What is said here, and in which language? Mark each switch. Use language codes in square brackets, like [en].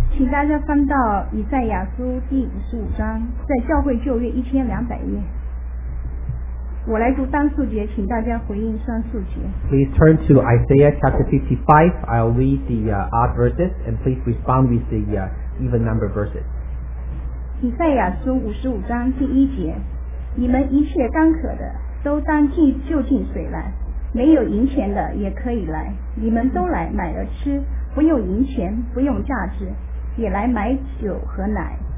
[zh] 大家翻到以赛亚书第五十五章，在教会旧约1200页。我来读单数节，请大家回应双数节。 [en] Please turn to Isaiah chapter 55. I'll read the odd verses, and please respond with the even number verses. [zh] 以赛亚书五十五章第一节：你们一切干渴的，都当进就近水来；没有银钱的也可以来。你们都来买了吃，不用银钱，不用价值，也来买酒和奶。